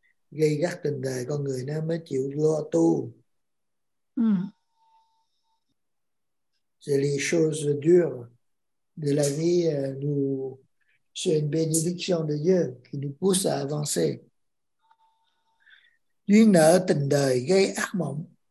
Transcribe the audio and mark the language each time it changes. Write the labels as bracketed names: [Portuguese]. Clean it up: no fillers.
[Vietnamese] Gây gắt tình đời con người nó mới chịu lo tu. [French] C'est les choses dures de la vie nous c'est une bénédiction de Dieu qui nous pousse à avancer. [Vietnamese] Duyên nợ tình đời gây ác mộng.